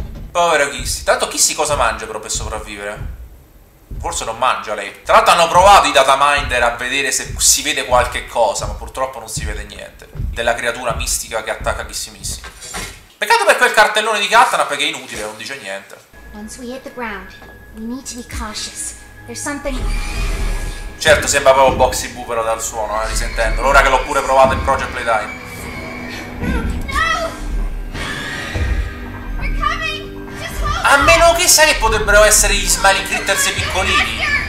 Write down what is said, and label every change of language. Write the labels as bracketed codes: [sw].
[it] Povero Kissy. Tanto Kissy cosa mangia proprio per sopravvivere? Forse non mangia lei. Tra l'altro hanno provato i dataminder a vedere se si vede qualche cosa, ma purtroppo non si vede niente della creatura mistica che attacca Kissimissi. Peccato per quel cartellone di Katana, perché è inutile, non dice niente. [en] Once we hit the ground, we need to be cautious. There's something. [it] Certo, sembra proprio Boxy Boo però dal suono, risentendo. L'ora che l'ho pure provato in Project Playtime. [en] No, no! We're coming! [it] A meno che sai che potrebbero essere gli Smiling Critters piccolini.